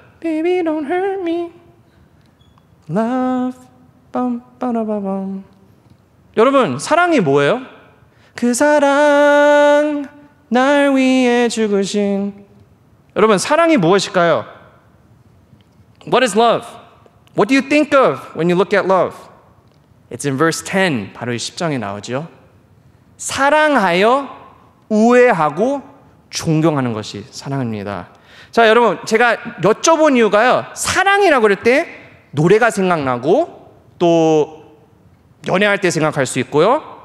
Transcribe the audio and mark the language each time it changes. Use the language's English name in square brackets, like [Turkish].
[English] Baby, don't hurt me. Love. Bum, ba-da-ba-bum. [Korean] 여러분, 사랑이 뭐예요? 그 사랑, 날 위해 죽으신. 여러분, 사랑이 무엇일까요? [English] What is love? What do you think of when you look at love? It's in verse 10, [Korean] 바로 이 10장에 나오죠. 사랑하여 우애하고 존경하는 것이 사랑입니다. 자, 여러분, 제가 여쭤본 이유가요. 사랑이라고 그럴 때 노래가 생각나고 또 연애할 때 생각할 수 있고요.